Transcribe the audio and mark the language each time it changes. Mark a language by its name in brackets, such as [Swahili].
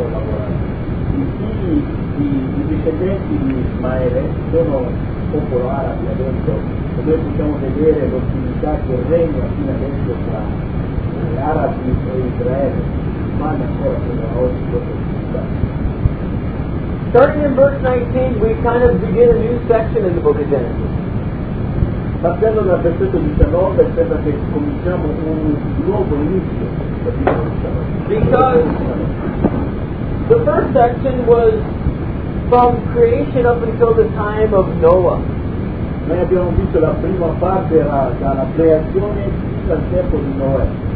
[Italian] I discendenti di Ismaele sono popolo arabi adesso, e noi possiamo vedere l'ostilità che regna fino adesso tra gli arabi e Israele. [English] Starting in verse 19, we kind of begin a new section in the book of Genesis. [Italian] Partendo dal versetto 19, sembra che cominciamo un nuovo inizio. [English] Because the first section was from creation up until the time of Noah. [Italian] Noi abbiamo visto la prima parte era dalla creazione fino al tempo di Noè.